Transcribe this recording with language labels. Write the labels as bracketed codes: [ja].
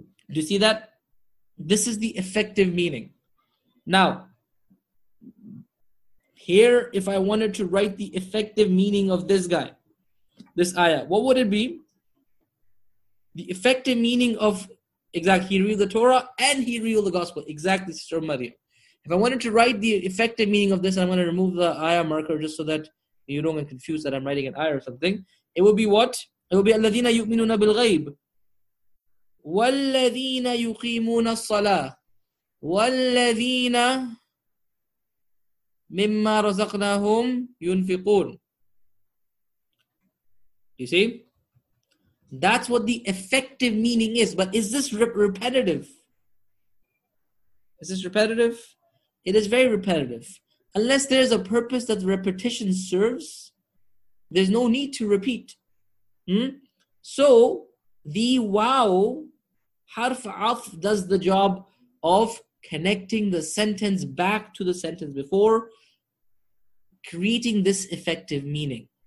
[en] Do you see that? This is the effective meaning. Now, here, if I wanted to write the effective meaning of this guy, this ayah, what would it be? The effective meaning of, exactly, he revealed the Torah and he revealed the gospel. Exactly, Sister Maria. If I wanted to write the effective meaning of this, I'm going to remove the ayah marker just so that you don't get confused that I'm writing an ayah or something. It will be what? It will be [ar] الَّذِينَ يُؤْمِنُونَ بِالْغَيْبِ وَالَّذِينَ يُقِيمُونَ الصَّلَاةِ وَالَّذِينَ مِمَّا رَزَقْنَاهُمْ يُنْفِقُونَ. [en] You see? That's what the effective meaning is. But is this repetitive? Is this repetitive? It is very repetitive. Unless there is a purpose that repetition serves, there's no need to repeat. So, the wow, harf af, does the job of connecting the sentence back to the sentence before, creating this effective meaning.